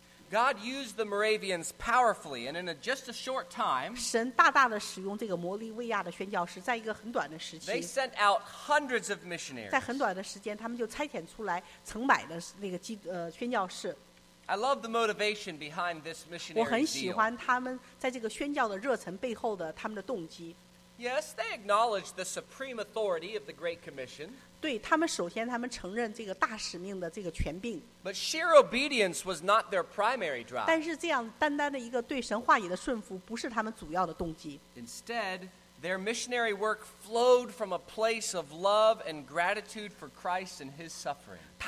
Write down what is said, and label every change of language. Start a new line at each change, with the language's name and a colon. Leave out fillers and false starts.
English: God used the Moravians powerfully, and in just a short time,
Chinese: 神大大地使用这个摩利维亚的宣教士, 在一个很短的时期,
English: they sent out hundreds of missionaries.
Chinese: 在很短的时间, 他们就差遣出来成百的那个宣教士。
English: I love the motivation behind this missionary deal.
Chinese: 我很喜欢他们在这个宣教的热忱背后的, 他们的动机。
English: Yes, they acknowledged the supreme authority of the Great Commission.
Chinese: 对,他们首先他们承认这个大使命的这个权柄。
English: But sheer obedience was not their primary drive.
Chinese: 但是这样单单的一个对神话语的顺服不是他们主要的动机。
English: Instead, their missionary work flowed from a place of love and gratitude for Christ and his suffering.